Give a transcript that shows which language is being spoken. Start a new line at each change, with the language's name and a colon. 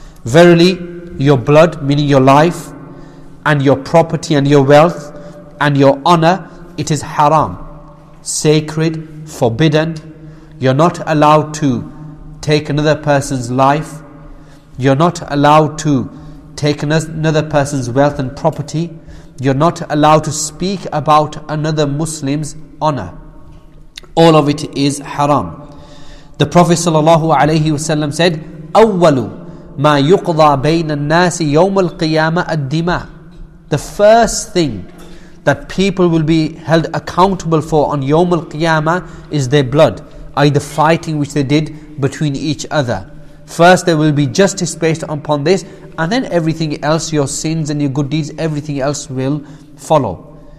English: Verily, your blood, meaning your life, and your property and your wealth and your honor, it is haram, sacred, forbidden. You're not allowed to take another person's life. You're not allowed to take another person's wealth and property. You're not allowed to speak about another Muslim's honor. All of it is haram. The Prophet sallallahu alaihi wasallam said,
Arabic: أول ما يقضى بين الناس يوم القيامة الدماء.
English: The first thing that people will be held accountable for on Yawm al-Qiyamah is their blood, i.e. the fighting which they did between each other. First, there will be justice based upon this, and then everything else, your sins and your good deeds, everything else will follow.